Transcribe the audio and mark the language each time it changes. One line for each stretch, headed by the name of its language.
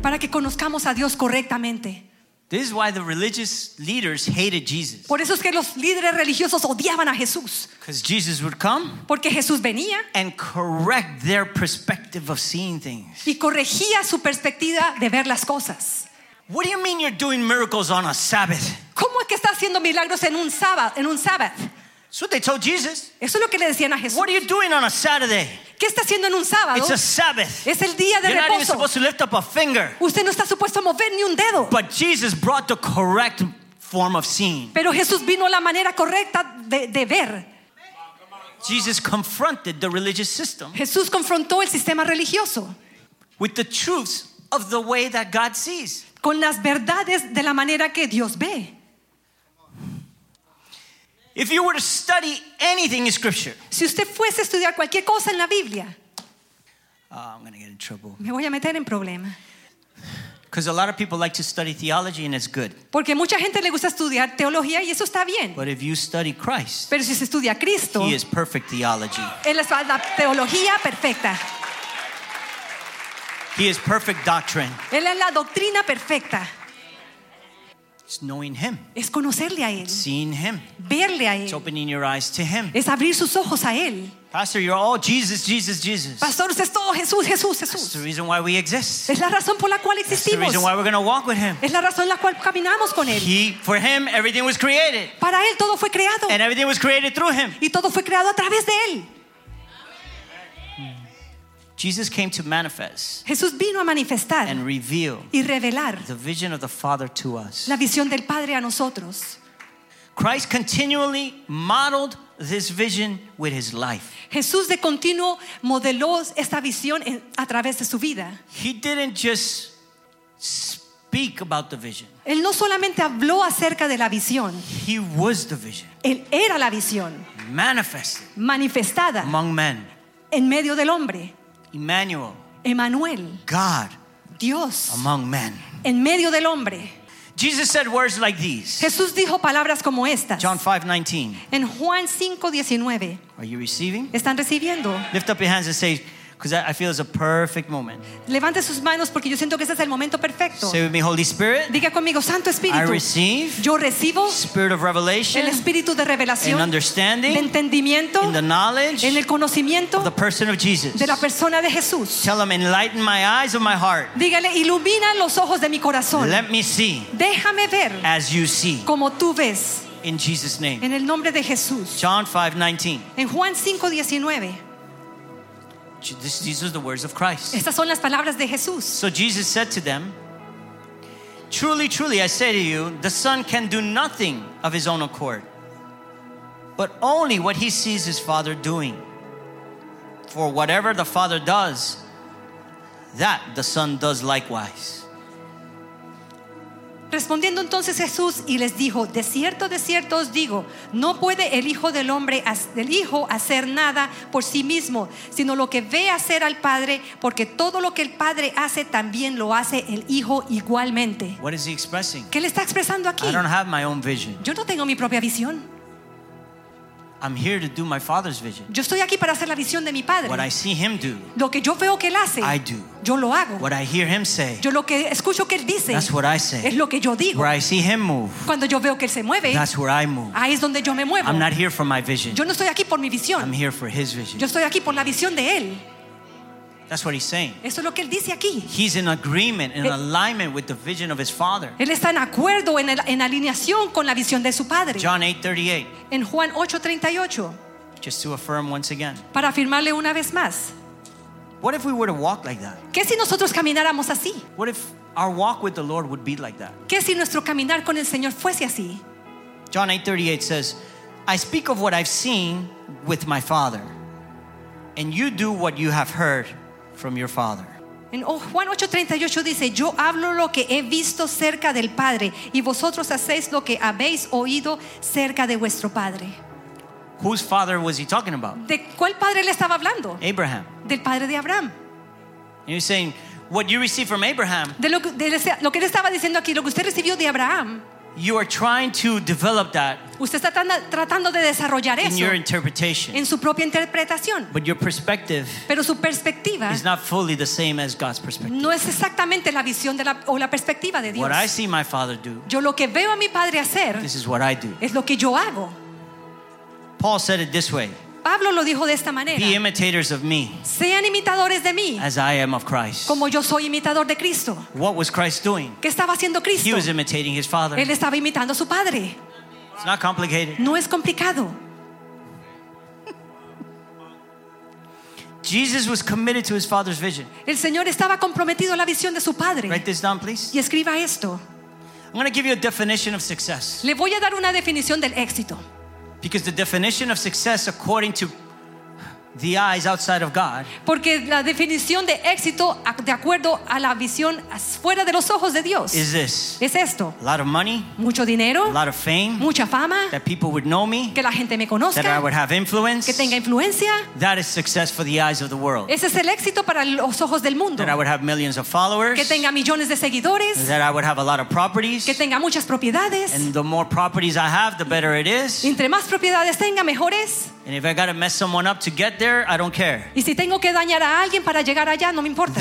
Spanish: Para que conozcamos a Dios correctamente.
English: This is why the religious leaders hated Jesus.
Spanish: Por eso es que los líderes religiosos odiaban a Jesús.
English: Because Jesus would come.
Spanish: Porque Jesús venía.
English: And correct their perspective of seeing things.
Spanish: Y corregía su perspectiva de ver las cosas.
English: What do you mean you're doing miracles on a Sabbath?
Spanish: ¿Cómo es que está haciendo milagros en un sábado, en un Sabbath?
English: That's what they told Jesus.
Spanish: Eso es lo que le decían a Jesús.
English: What are you doing on a Saturday?
Spanish: ¿Qué está haciendo en un sábado?
English: It's a Sabbath.
Spanish: Es el día de
English: You're
Spanish: reposo.
English: Not even supposed to lift up a finger.
Spanish: Usted no está supuesto a mover ni un dedo.
English: But Jesus brought the correct form of seeing.
Spanish: Pero Jesús vino la manera correcta de ver.
English: Jesus confronted the religious system.
Spanish: Jesús confrontó el sistema religioso.
English: With the truths of the way that God sees.
Spanish: Con las verdades de la manera que Dios ve.
English: If you were to study anything in Scripture,
Spanish: si usted fuese a estudiar cualquier cosa en la Biblia,
English: oh, I'm going to get in trouble.
Spanish: Me voy a meter en problema.
English: Because a lot of people like to study theology and it's good.
Spanish: Porque mucha gente le gusta estudiar teología y eso está bien.
English: But if you study Christ,
Spanish: pero si se estudia a Cristo,
English: He is perfect theology.
Spanish: Él es la teología perfecta.
English: He is perfect doctrine.
Spanish: Él es la doctrina perfecta.
English: It's knowing Him.
Spanish: Es conocerle a él.
English: Seeing Him.
Spanish: Verle a él.
English: It's opening your eyes to Him.
Spanish: Es abrir sus ojos a él.
English: Pastor, you're all Jesus, Jesus, Jesus.
Spanish: Pastor, usted es todo Jesús, Jesús, Jesús.
English: That's the reason why we exist.
Spanish: Es la razón por la cual existimos.
English: That's the reason why we're going to walk with Him.
Spanish: Es la razón la cual caminamos con él.
English: He, for Him, everything was created.
Spanish: Para él todo fue creado.
English: And everything was created through Him.
Spanish: Y todo fue creado a través de él.
English: Jesus came to manifest.
Spanish: Jesús vino a manifestar.
English: And reveal.
Spanish: Y revelar.
English: The vision of the Father to us.
Spanish: La visión del Padre a nosotros.
English: Christ continually modeled this vision with his life.
Spanish: Jesús de continuo modeló esta visión a través de su vida.
English: He didn't just speak about the vision.
Spanish: Él no solamente habló acerca de la visión.
English: He was the vision.
Spanish: Él era la visión.
English: Manifested.
Spanish: Manifestada.
English: Among men.
Spanish: En medio del hombre.
English: Emmanuel,
Spanish: Emmanuel,
English: God,
Spanish: Dios,
English: among men,
Spanish: en medio del hombre.
English: Jesus said words like these.
Spanish: Jesús dijo palabras como estas.
English: John 5:19.
Spanish: En Juan 5:19.
English: Are you receiving?
Spanish: Están recibiendo.
English: Lift up your hands and say, because I feel it's a perfect moment.
Spanish: Levante sus manos porque yo siento que este es el momento perfecto.
English: Say with me, Holy Spirit.
Spanish: Diga conmigo, Santo Espíritu.
English: I receive.
Spanish: Yo recibo.
English: Spirit of revelation.
Spanish: El Espíritu de revelación.
English: In understanding.
Spanish: De entendimiento.
English: In the knowledge.
Spanish: En el conocimiento.
English: Of the person of Jesus.
Spanish: De la persona de Jesús.
English: Tell him, enlighten my eyes of my heart.
Spanish: Dígale, ilumina los ojos de mi corazón.
English: Let me see.
Spanish: Déjame ver.
English: As you see.
Spanish: Como tú ves.
English: In Jesus' name.
Spanish: En el nombre de Jesús.
English: John 5:19.
Spanish: En Juan 5:19.
English: These are the words of Christ.
Spanish: Estas son las palabras de Jesús.
English: So Jesus said to them, truly, truly, I say to you, the Son can do nothing of his own accord, but only what he sees his Father doing. For whatever the Father does, that the Son does likewise.
Spanish: Respondiendo entonces Jesús y les dijo, de cierto os digo, no puede el Hijo del Hombre, el Hijo, hacer nada por sí mismo, sino lo que ve hacer al Padre, porque todo lo que el Padre hace también lo hace el Hijo igualmente.
English: What is he expressing?
Spanish: ¿Qué le está expresando aquí?
English: I don't have my own vision.
Spanish: Yo no tengo mi propia visión.
English: I'm here to do my Father's vision.
Spanish: Yo estoy aquí para hacer la visión de mi Padre.
English: What I see him do.
Spanish: Lo que yo veo que él hace.
English: I do.
Spanish: Yo lo hago.
English: What I hear him say.
Spanish: Yo lo que escucho que él dice.
English: That's what I say.
Spanish: Es lo que yo digo.
English: Where I see him move.
Spanish: Cuando yo veo que él se mueve.
English: That's where I move.
Spanish: Ahí es donde yo me muevo.
English: I'm not here for my vision.
Spanish: Yo no estoy aquí por mi visión.
English: I'm here for his vision.
Spanish: Yo estoy aquí por la visión de él.
English: That's what he's saying.
Spanish: Eso es lo que él dice aquí.
English: He's in agreement, in alignment with the vision of his Father.
Spanish: Él está en acuerdo, en alineación con la visión de su Padre.
English: John 8:38.
Spanish: En Juan 8:38.
English: Just to affirm once again.
Spanish: Para afirmarle una vez más.
English: What if we were to walk like that?
Spanish: ¿Qué si nosotros camináramos así?
English: What if our walk with the Lord would be like that?
Spanish: ¿Qué si nuestro caminar con el Señor fuese así?
English: John 8:38 says, I speak of what I've seen with my Father, and you do what you have heard from your Father.
Spanish: En Juan 8:38 dice, yo hablo lo que he visto cerca del Padre, y vosotros hacéis lo que habéis oído cerca de vuestro Padre.
English: Whose father was he talking about?
Spanish: ¿De cuál padre le estaba hablando?
English: Abraham.
Spanish: Del padre de Abraham.
English: And he's saying, what you receive from Abraham.
Spanish: De lo que él estaba diciendo aquí, lo que usted recibió de Abraham.
English: you are trying to develop that.
Spanish: Usted está tratando de desarrollar
English: in
Spanish: eso
English: your interpretation.
Spanish: En su propia interpretación.
English: But your perspective.
Spanish: Pero su perspectiva.
English: Is not fully the same as God's perspective.
Spanish: No es exactamente la visión de la o la perspectiva de Dios.
English: What I see my father do.
Spanish: Yo lo que veo a mi padre hacer.
English: This is what I do.
Spanish: Es lo que yo hago.
English: Paul said it this way.
Spanish: Pablo lo dijo de esta manera.
English: Be imitators of me.
Spanish: Sean imitadores de mí.
English: As I am of Christ.
Spanish: Como yo soy imitador de Cristo.
English: What was Christ doing?
Spanish: ¿Qué estaba haciendo Cristo?
English: He was imitating his father.
Spanish: Él estaba imitando a su padre.
English: It's not complicated.
Spanish: No es complicado.
English: Jesus was committed to his father's vision.
Spanish: El Señor estaba comprometido a la visión de su padre.
English: Write this down, please.
Spanish: Y escriba esto.
English: I'm going to give you a definition of success.
Spanish: Le voy a dar una definición del éxito.
English: Because the definition of success according to the eyes outside of God.
Spanish: Porque la definición de éxito de acuerdo a la visión fuera de los ojos de Dios.
English: Is this?
Spanish: Es esto.
English: A lot of money.
Spanish: Mucho dinero.
English: A lot of fame.
Spanish: Mucha fama.
English: That people would know me.
Spanish: Que la gente me conozca.
English: That I would have influence.
Spanish: Que tenga influencia.
English: That is success for the eyes of the world.
Spanish: Ese es el éxito para los ojos del mundo.
English: That I would have millions of followers.
Spanish: Que tenga millones de seguidores.
English: That I would have a lot of properties.
Spanish: Que tenga muchas propiedades.
English: And the more properties I have, the better it is.
Spanish: Entre más propiedades tenga, mejor es.
English: And if I gotta mess someone up to get there, I don't care.
Spanish: Y si tengo que dañar a alguien para llegar allá, no me importa.